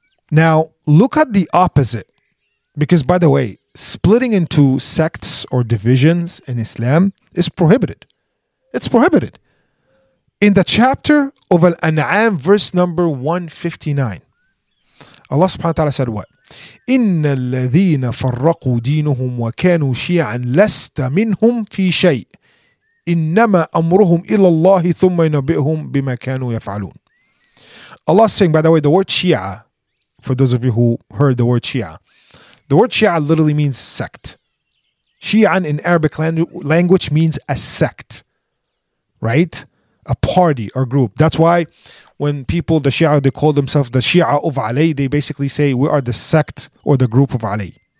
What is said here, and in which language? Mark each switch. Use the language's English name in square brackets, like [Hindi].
[English] Now, look at the opposite. Because, by the way, splitting into sects or divisions in Islam is prohibited. It's prohibited. In the chapter of Al-An'am, verse number 159, Allah subhanahu wa ta'ala said what? [Arabic] إِنَّ الَّذِينَ فَرَّقُوا دِينُهُمْ وَكَانُوا شِيعًا لَسْتَ مِنْهُمْ فِي شَيْءٍ إِنَّمَا أَمْرُهُمْ إِلَى اللَّهِ ثُمَّ يُنَبِّئُهُمْ بِمَا كَانُوا يَفْعَلُونَ. [English] Allah is saying, by the way, the word Shia, [Arabic] for those of you who heard the word Shia, [English] The word Shia literally means sect. Shia'an in Arabic language means a sect, right? A party or group. That's why when people, the Shia, they call themselves the Shia of Ali, they basically say we are the sect or the group of Ali.